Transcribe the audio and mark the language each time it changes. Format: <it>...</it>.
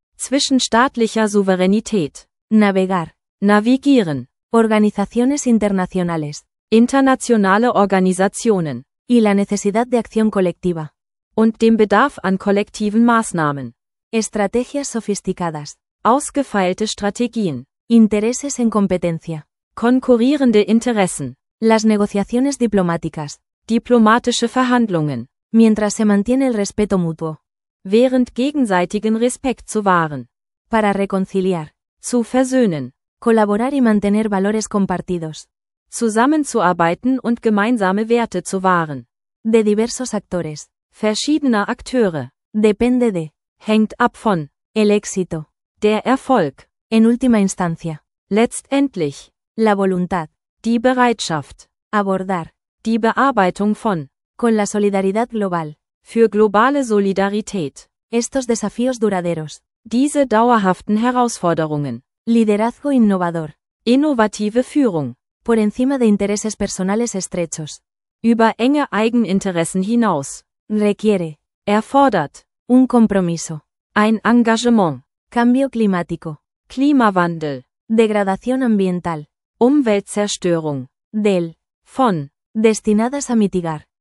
<de>Zwischen staatlicher Souveränität.</de> <es>Navegar.</es> <de>Navigieren.</de> <es>Organizaciones internacionales.</es> <de>Internationale Organisationen.</de> <es>Y la necesidad de acción colectiva.</es> <de>Und dem Bedarf an kollektiven Maßnahmen.</de> <es>Estrategias sofisticadas.</es> <de>Ausgefeilte Strategien.</de> <es>Intereses en competencia.</es> <de>Konkurrierende Interessen.</de> <es>Las negociaciones diplomáticas.</es> <de>Diplomatische Verhandlungen.</de> <es>Mientras se mantiene el respeto mutuo.</es> <de>Während gegenseitigen Respekt zu wahren.</de> <es>Para reconciliar.</es> <de>Zu versöhnen.</de> <es>Colaborar y mantener valores compartidos.</es> <de>Zusammenzuarbeiten und gemeinsame Werte zu wahren.</de> <es>De diversos actores.</es> <de>Verschiedener Akteure.</de> <es>Depende de.</es> <de>hängt ab von</de> <es>el éxito,</es> <de>der Erfolg,</de> <es>en última instancia,</es> <de>letztendlich,</de> <es>la voluntad,</es> <de>die Bereitschaft,</de> <es>abordar,</es> <de>die Bearbeitung von,</de> <es>con la solidaridad global,</es> <de>für globale Solidarität,</de> <es>estos desafíos duraderos,</es> <de>diese dauerhaften Herausforderungen,</de> <es>liderazgo innovador,</es> <de>innovative Führung,</de> <es>por encima de intereses personales estrechos,</es> <de>über enge Eigeninteressen hinaus,</de> <es>requiere,</es> <de>erfordert,</de> <es>un compromiso,</es> <de>ein Engagement,</de> <es>cambio climático,</es> <de>Klimawandel,</de> <es>degradación ambiental,</es> <de>Umweltzerstörung,</de> <es>del,</es> <de>von,</de> <es>destinadas a mitigar,</es>